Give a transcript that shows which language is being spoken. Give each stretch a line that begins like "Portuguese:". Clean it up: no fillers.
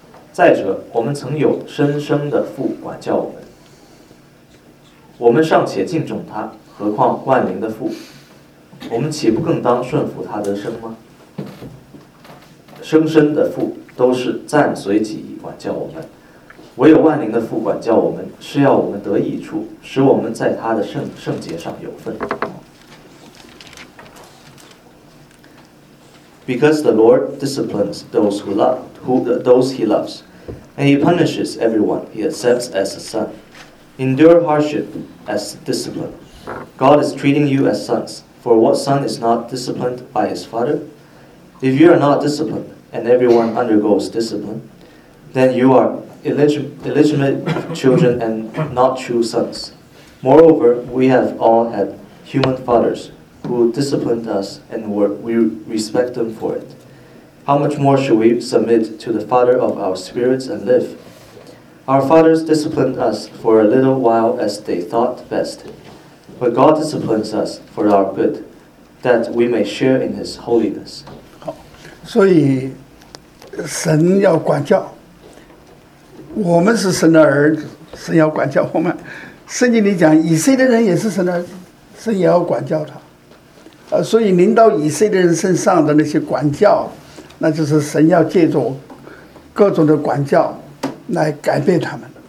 Chinese: 再者，我们曾有生生的父管教我们，我们尚且敬重他，何况万灵的父，我们岂不更当顺服他的生吗？生生的父都是暂随己意管教我们，唯有万灵的父管教我们，是要我们得益处，使我们在他的圣洁上有份。
English: Because the Lord disciplines those those he loves, and he punishes everyone he accepts as a son. Endure hardship as discipline. God is treating you as sons, for what son is not disciplined by his father? If you are not disciplined, and everyone undergoes discipline, then you areillegitimate children and not true sons. Moreover, we have all had human fathers who disciplined us and we respect them for it. How much more should we submit to the Father of our spirits and live? Our fathers disciplined us for a little while as they thought best. But God disciplines us for our good, that we may share in His holiness.
Chinese: 好，所以神要管教我们，是神的儿子，神要管教我们。圣经里讲，以色列人也是神的儿子，神也要管教他。所以临到以色列人身上的那些管教，那就是神要借助各种的管教来改变他们。